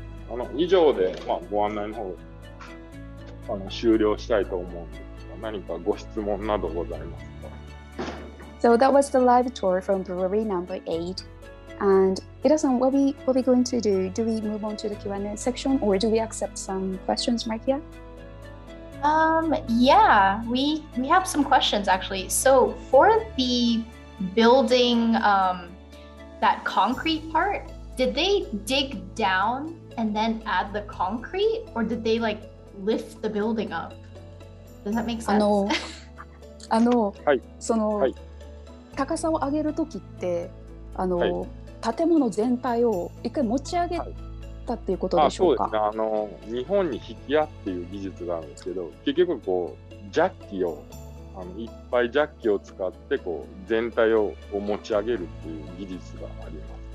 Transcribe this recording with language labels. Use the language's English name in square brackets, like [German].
[Japanese] あの、以上で、まあ、ご案内の方あの終了したいと思うんで。何かご質問などございますか? [English] So that was the live tour from Brewery number 8. And Ida-san, what are we going to do? Do we move on to the Q&A section or do we accept some questions right here? Yeah, we have some questions actually. So for the building, that concrete part, did they dig down and then add the concrete or did they like lift the building up? Does that make sense? あの、はい、その、はい、 [Japanese] 高さを上げるときって、あの、はい、建物全体を一回持ち上げた、はい、っていうことでしょうか。あ、そうですね。あの、日本に引き屋っていう技術があるんですけど、結局こうジャッキをあのいっぱいジャッキを使ってこう全体を持ち上げるっていう技術があります。